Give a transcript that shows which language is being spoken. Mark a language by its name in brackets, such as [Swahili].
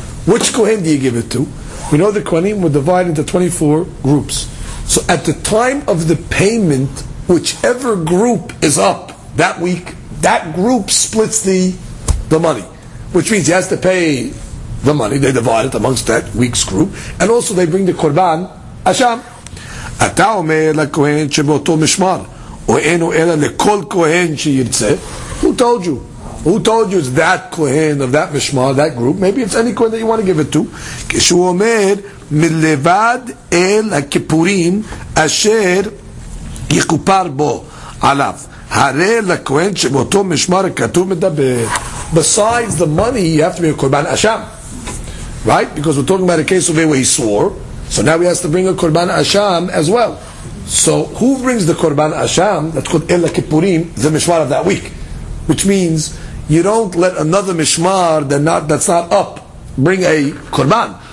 [English] Which kohen do you give it to? We know the kohenim were divided into 24 groups. So at the time of the payment, whichever group is up that week, that group splits the money. Which means he has to pay the money, they divide it amongst that week's group. And also they bring the korban, Hashem. [Hebrew] אתה אומר לכהן שבאותו משמר, או אינו אלא לכל כהן שירצה. [English] Who told you? Who told you it's that כהן of that משמר, that group? Maybe it's any כהן that you want to give it to. [Hebrew] כשהוא אומר, מלבד אל הכיפורים אשר יכופר בו עליו. הרי לכהן שבאותו משמר כתוב מדבר. [English] Besides the money, you have to be a קורבן אשם. Right? Because we're talking about a case of where he swore. So now he has to bring a Korban Asham as well. So who brings the Korban Asham? That's called Ella Kippurim, the Mishmar of that week. Which means you don't let another Mishmar that's not up bring a Korban.